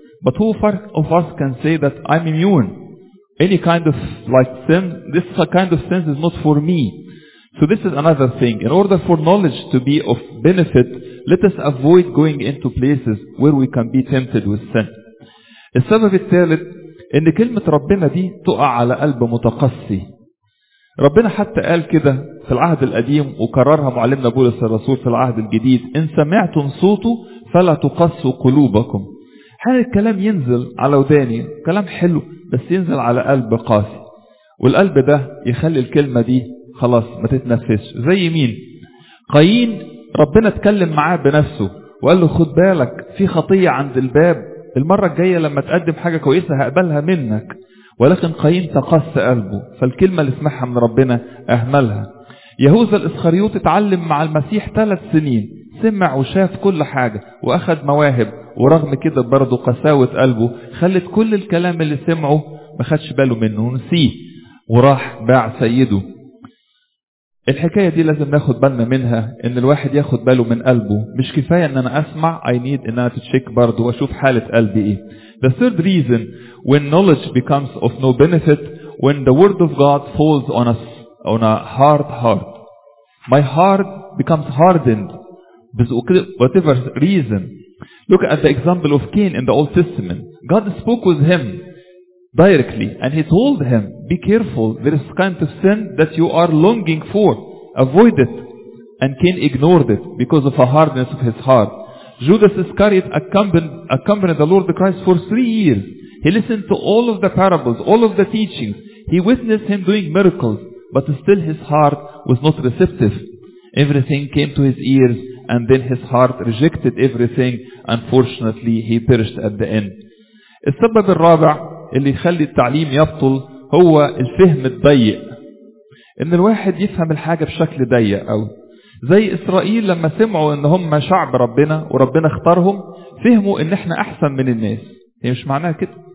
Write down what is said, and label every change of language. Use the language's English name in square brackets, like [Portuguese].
[English] But who of us can say that I'm immune? Any kind of, like, sin, this kind of sin is not for me. So this is another thing. In order for knowledge to be of benefit, let us avoid going into places where we can be tempted with sin. [Arabic] السبب الثالث ان كلمة ربنا دي تقع على قلب متقصي. ربنا حتى قال كده في العهد القديم وكررها معلمنا بولس الرسول في العهد الجديد, ان سمعتم صوته فلا تقصوا قلوبكم. هذا الكلام ينزل على وداني, كلام حلو بس ينزل على قلب قاسي, والقلب ده يخلي الكلمة دي خلاص ما تتنفسش. زي مين؟ قايين. ربنا اتكلم معاه بنفسه وقال له خد بالك في خطية عند الباب, المرة الجاية لما تقدم حاجة كويسة هقبلها منك. ولكن قايين تقص قلبه فالكلمة اللي سمعها من ربنا اهملها. يهوذا الاسخريوط اتعلم مع المسيح 3 سنين, سمع وشاف كل حاجة واخد مواهب, ورغم كده برضه قساوة قلبه خلت كل الكلام اللي سمعه ما خدش باله منه ونسيه وراح باع سيده. الحكاية دي لازم ناخد بالنا منها, ان الواحد ياخد باله من قلبه. مش كفاية ان انا اسمع, [English] I need [Arabic] ان انا تتشيك برضو واشوف حالة قلبي ايه. [English] The third reason, when knowledge becomes of no benefit, when the word of God falls on us on a hard heart. My heart becomes hardened with whatever reason. Look at the example of Cain in the Old Testament. God spoke with him directly and he told him, be careful, there is kind of sin that you are longing for, avoid it. And Cain ignored it because of a hardness of his heart. Judas Iscariot accompanied the Lord Christ for 3 years. He listened to all of the parables, all of the teachings. He witnessed him doing miracles, but still his heart was not receptive. Everything came to his ears and then his heart rejected everything. Unfortunately, he perished at the end. [Arabic] السبب الرابع اللي يخلي التعليم يبطل هو الفهم الضيق. ان الواحد يفهم الحاجة بشكل ضيق قوي. زي اسرائيل لما سمعوا ان هم شعب ربنا وربنا اختارهم, فهموا ان احنا احسن من الناس. هي مش معناها كده.